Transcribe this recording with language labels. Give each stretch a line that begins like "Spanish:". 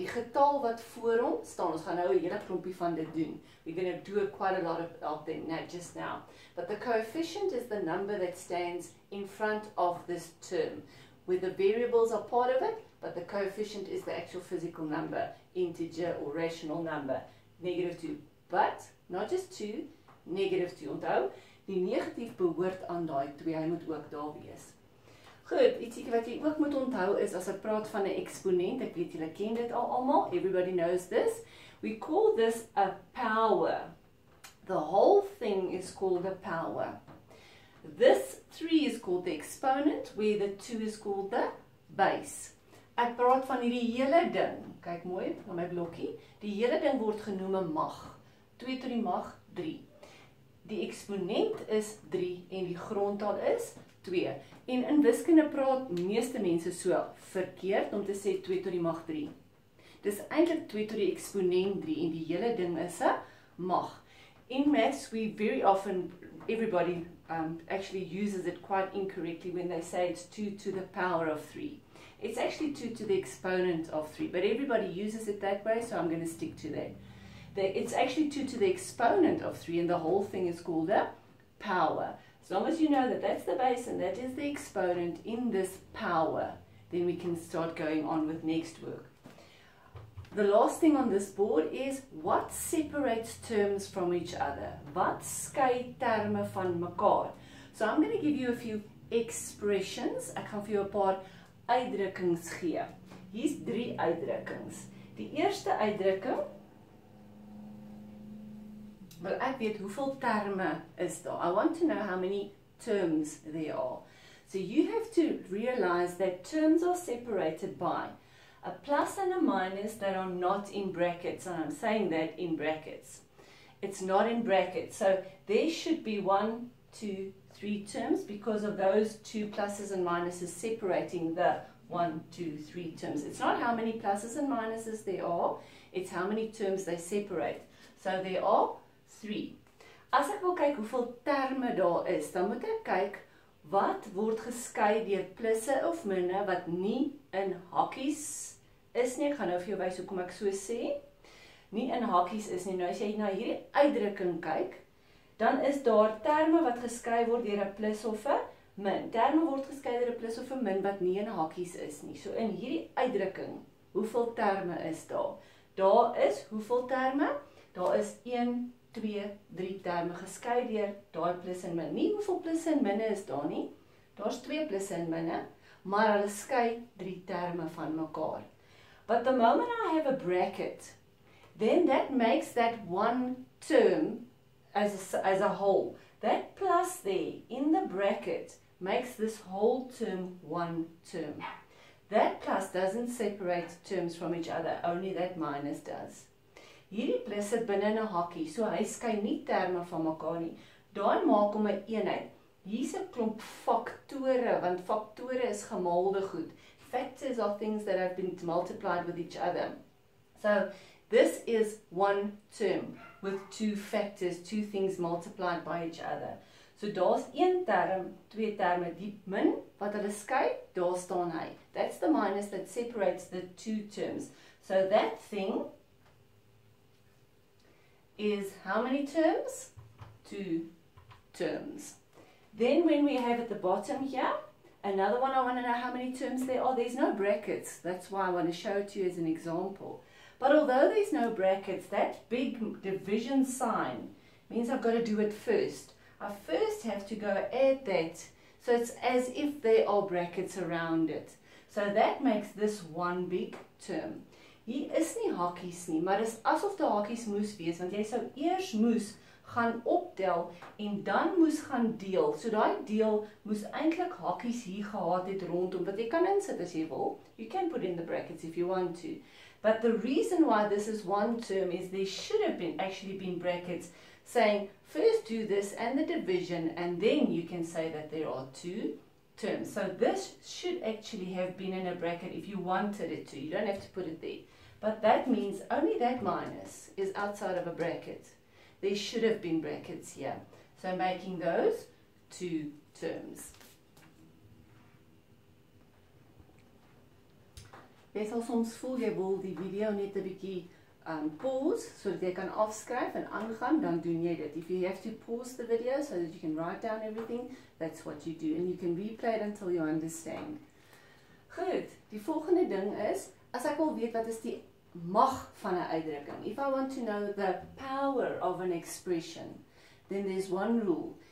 Afrikaans: Die getal wat voor hom staan, ons gaan nou 'n hele klompie van dit doen.
English: We're going to do quite a lot of them just now. But the coefficient is the number that stands in front of this term, where the variables are part of it, but the coefficient is the actual physical number, integer or rational number, negative 2. But, not just 2, negative 2.
Afrikaans: Onthou, die negatief behoort aan daai 2, hy moet ook daar wees. Goed, ietsie wat jy ook moet onthou is, as ek praat van 'n eksponent, ek weet julle ken dit al almal,
English: everybody knows this, we call this a power. The whole thing is called a power. This 3 is called the exponent, where the 2 is called the base.
Afrikaans: Ek praat van hierdie hele ding, kyk mooi na my blokkie, die hele ding word genoem mag, 2 tot die mag 3. Die eksponent is 3 en die grondtaal is 2. En in wiskunde praat meeste mense so verkeerd om te sê 2 tot die mag 3. Dis eintlik 2 tot die eksponent 3 en die hele ding is 'n mag.
English: In maths, we very often, everybody actually uses it quite incorrectly when they say it's 2 to the power of 3. It's actually 2 to the exponent of 3, but everybody uses it that way, so I'm going to stick to that. It's actually 2 to the exponent of 3, and the whole thing is called a power. As long as you know that that's the base and that is the exponent in this power, then we can start going on with next work. The last thing on this board is, what separates terms from each other?
Afrikaans: Wat skei terme van mekaar?
English: So I'm going to give you a few expressions.
Afrikaans: Ek gaan vir jou 'n paar uitdrukkings gee. Hier's 3 uitdrukkings. Die eerste uitdrukking, wil ek weet hoeveel terme is daar?
English: I want to know how many terms there are. So you have to realize that terms are separated by a plus and a minus that are not in brackets, and I'm saying that in brackets. It's not in brackets. So there should be 1, 2, 3 terms because of those 2 pluses and minuses separating the 1, 2, 3 terms. It's not how many pluses and minuses there are, it's how many terms they separate. So there are 3.
Afrikaans: As ek wil kyk hoeveel terme daar is, dan moet ek kyk wat word geskei deur plusse of minne wat nie in hakkies is nie. Ek gaan nou vir jou wys hoekom ek so sê. Nie in hakkies is nie. Nou as jy na hierdie uitdrukking kyk, dan is daar terme wat geskei word deur 'n plus of 'n min. Terme word geskei deur 'n plus of 'n min wat nie in hakkies is nie. So in hierdie uitdrukking, hoeveel terme is daar? Daar is hoeveel terme? Daar is 1 2, 3 terme geskei deur daai plus en min. Nie hoeveel plus en minne is daar nie. Daar's 2 plus en minne, maar hulle skei 3 terme van mekaar.
English: But the moment I have a bracket, then that makes that one term as a whole. That plus there in the bracket makes this whole term one term. That plus doesn't separate terms from each other, only that minus does.
Afrikaans: Hierdie plus sit binne 'n hakkie, so hy skei nie terme van mekaar nie. Daai maak hom 'n eenheid. Hier's 'n klomp faktore, want faktore is gemaalde goed.
English: Factors are things that have been multiplied with each other. So, this is one term with 2 factors, 2 things multiplied by each other.
Afrikaans: So daar's 1 term, 2 terme, die min wat hulle skei, daar staan hy.
English: That's the minus that separates the 2 terms. So that thing is how many terms? 2 terms. Then when we have at the bottom here, another one, I want to know how many terms there are. There's no brackets. That's why I want to show it to you as an example. But although there's no brackets, that big division sign means I've got to do it first. I first have to go add that. So it's as if there are brackets around it. So that makes this one big term. Hier is nie hakkies nie, maar dis asof die hakkies moes wees, want jy sou eers moes gaan optel en dan moes gaan deel.
Afrikaans: So daai deel moes eintlik hakkies hier gehad het rondom, wat jy kan insit as jy wil.
English: You can put in the brackets if you want to. But the reason why this is one term is there should have been actually been brackets saying first do this and the division and then you can say that there are 2 terms. So this should actually have been in a bracket if you wanted it to. You don't have to put it there. But that means only that minus is outside of a bracket. There should have been brackets here. So making those 2 terms.
Afrikaans: Jy sal soms voel jy wil die video net 'n bietjie pause sodat jy kan afskryf en aangaan, dan doen jy dit.
English: If you have to pause the video so that you can write down everything, that's what you do. And you can replay it until you understand.
Afrikaans: Goed, die volgende ding is, as ek wil weet wat is die mag van 'n uitdrukking.
English: If I want to know the power of an expression, then there's one rule.